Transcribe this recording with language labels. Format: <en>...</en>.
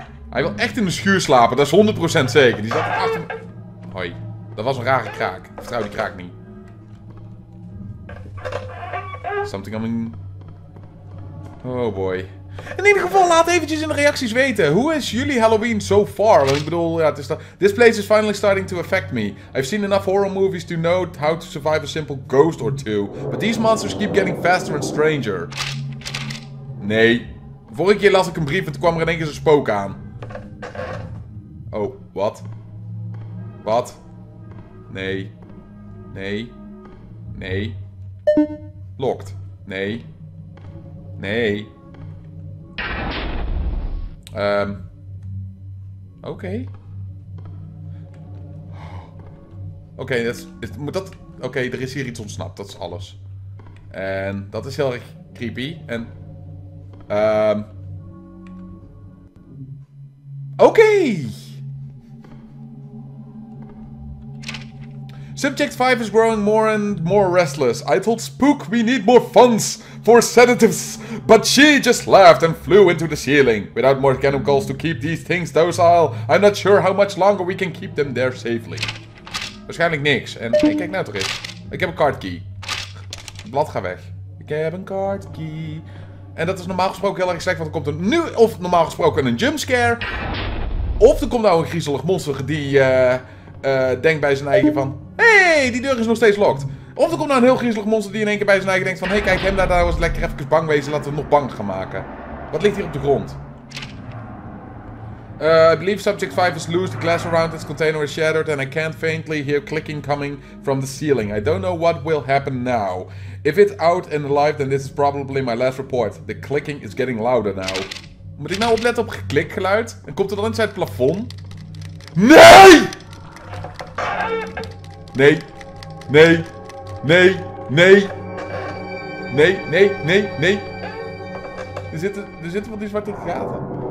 <nl>Hij wil echt in de schuur slapen, dat is 100% zeker. Die zat achter me. Hoi, dat was een rare kraak. Ik vertrouw die kraak niet.</nl> <en>Something coming. Oh boy.</en> <nl>In ieder geval, laat eventjes in de reacties weten. Hoe is jullie Halloween</nl> <en>so far?</en> <nl>Want ik bedoel, ja, het is dat.</nl> <en>This place is finally starting to affect me. I've seen enough horror movies to know how to survive a simple ghost or two. But these monsters keep getting faster and stranger.</en> <nl>Nee. Vorige keer las ik een brief en toen kwam er in één keer een spook aan. Oh, wat? Wat? Nee. Nee. Nee. Locked. Nee. Nee. Oké. Oké, dat is... Moet dat... Oké, er is hier iets ontsnapt. Dat is alles. En dat is heel erg creepy. En... Oké.</nl> <en>Subject 5 is growing more and more restless. I told Spook we need more funds for sedatives, but she just laughed and flew into the ceiling. Without more chemicals to keep these things docile, I'm not sure how much longer we can keep them there safely.</en> <nl>Waarschijnlijk niks. En hey, kijk nou toch eens. Ik heb een card key. Het blad gaat weg. Ik heb een card key. En dat is normaal gesproken heel erg slecht, want er komt er nu of normaal gesproken een jumpscare. Of er komt nou een griezelig monster die denkt bij zijn eigen van... Hey, die deur is nog steeds locked. Of er komt nou een heel griezelig monster die in één keer bij zijn eigen denkt van... Hey, kijk, hem daar was lekker even bang wezen, laten we hem nog bang gaan maken. Wat ligt hier op de grond?</nl> <en>I believe subject 5 is loose, the glass around its container is shattered and I can't faintly hear clicking coming from the ceiling. I don't know what will happen now. If it's out and alive, then this is probably my last report. The clicking is getting louder now.</en> <nl>Moet ik nou opletten op geklikgeluid? En komt er dan iets uit het plafond? Nee! Nee. Nee. Nee. Nee. Nee. Nee. Nee. Nee. Er zitten wel die zwarte gaten.</nl>